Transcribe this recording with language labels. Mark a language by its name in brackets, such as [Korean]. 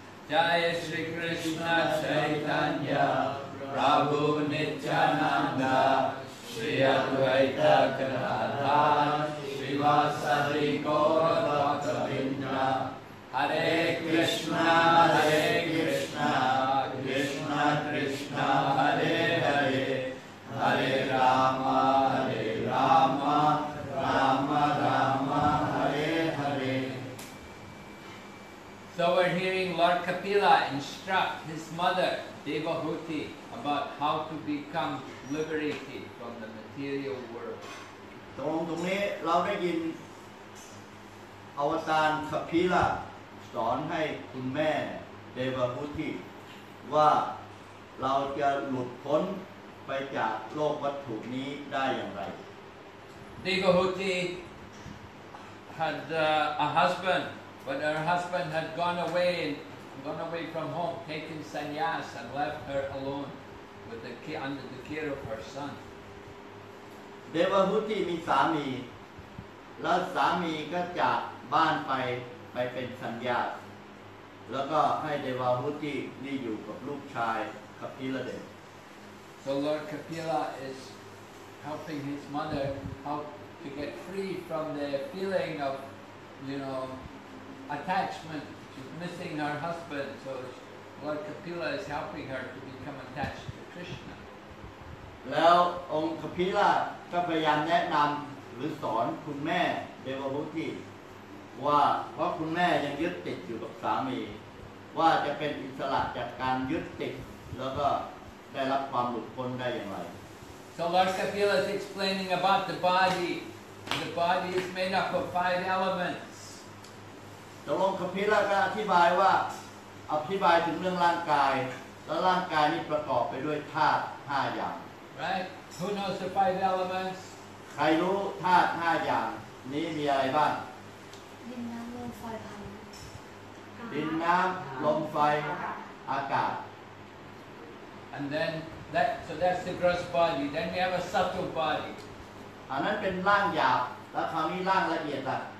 [Sanskrit] จายสีคริสต์นะไชตัญญาพระบุญนิจจานันดาสรีอดวัยตะกราธานสิวาสริโกรตะตะวินดาฮาเรคริชนาฮาเรคริชนาคริชนาคริชนาฮาเรฮาเรฮาเรรามาฮาเรรามารามารามาฮาเรฮาเร [English] So we're hearing Lord Kapila instruct his mother Devahuti about how to become liberated from the material world. [Thai] ตรงนี้เราได้ยินอวตารคปิละสอนให้คุณแม่ Devahuti ว่าเราจะหลุดพ้นไปจากโลกวัตถุนี้ได้อย่างไร [English] Devahuti had a husband, but her husband had gone away from home, taken sannyas and left her alone with the care, under the care of her son. [Thai] Devahuti มีสามีแล้วสามีก็จากบ้านไปเป็นสัญญาแล้วก็ให้ Devahuti นี่อยู่กับลูกชาย Kapila Dev. [English] So Lord Kapila is helping his mother how to get free from the feeling of, you know, attachment. She's missing her husband, so Lord Kapila is helping her to become attached to Krishna. [Thai] แล้วองค์ Kapila ก็พยายามแนะนำหรือสอนคุณแม่ Devahuti ว่าเพราะคุณแม่ยังยึดติดอยู่กับสามีว่าจะเป็นอิสระจากการยึดติดแล้วก็ได้รับความหลุดพ้นได้อย่างไร [English] So Lord Kapila is explaining about the body. The body is made up of 5 elements. [Thai] ตกลงคัมภีร์ก็อธิบายว่าอธิบายถึงเรื่องร่างกายและร่างกายนี้ประกอบไปด้วยธาตุ5อย่าง [English] Right Who knows the five elements [Thai] ใครรู้ธาตุ5อย่างนี้มีอะไรบ้าง ดินน้ำลมไฟพัน ดินน้ำลมไฟอากาศ [English] And then that, so that's the gross body. Then we have a subtle body. [Thai] อันนั้นเป็นร่างหยาบแล้วคราวนี้ร่างละเอียดล่ะ